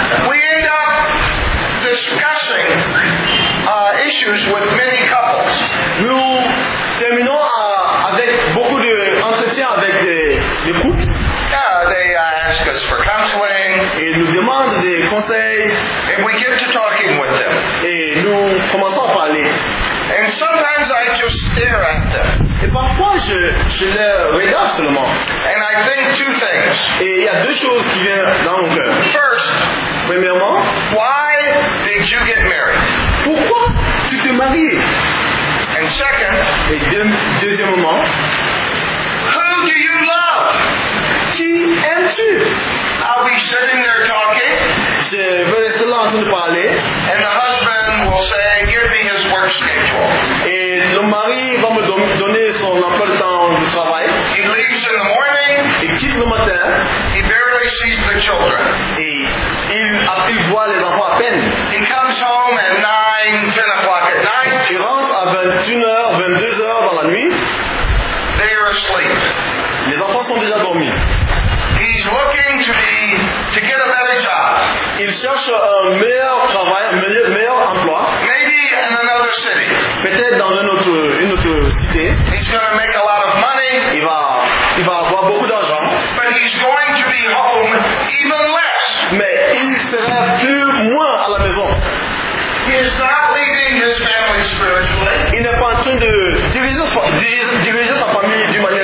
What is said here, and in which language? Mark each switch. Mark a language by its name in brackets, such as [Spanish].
[English] We end up discussing issues with many couples. [French] Nous terminons avec beaucoup de entretiens avec des couples. [English] Yeah, they ask us for counseling. [French] Et nous demandent des conseils. [English] And we get to talking with them. [French] Et nous commençons à parler. [English] And sometimes I just stare at them. [French] Et parfois je les regarde seulement. [English] And I think two things. [French] Et il y a deux choses qui viennent dans mon cœur. [English] First, [French] premièrement, [English] why did you get married? [French] Pourquoi tu t'es marié? [English] And second, [French] et deuxièmement, [English] who do you love? [French] Qui aimes-tu? [English] I'll be sitting there talking. [French] Je vais rester là en train de parler. [English] And the husband will say, give me his work schedule. [French] Et le mari va me donner son emploi de temps de travail. [English] He leaves in the morning. [French] Il quitte le matin. [English] He barely sees the children. [French] Et il voit les enfants à peine. [English] He comes home at 9, 10 o'clock at night. [French] Il rentre à 21h, 22h dans la nuit. [English] They are asleep. [French] Les enfants sont déjà dormis. [English] He's looking to get a better job. [French] Il cherche un meilleur travail, un meilleur emploi. [English] Maybe in another city. [French] Peut-être dans une autre cité. [English] He's going to make a lot of money. [French] Il va avoir beaucoup d'argent. [English] But he's going to be home even less. [French] Mais il sera plus moins à la maison. [English] He is not leaving his family spiritually. [French] Il n'est pas en train de diriger sa famille d'une manière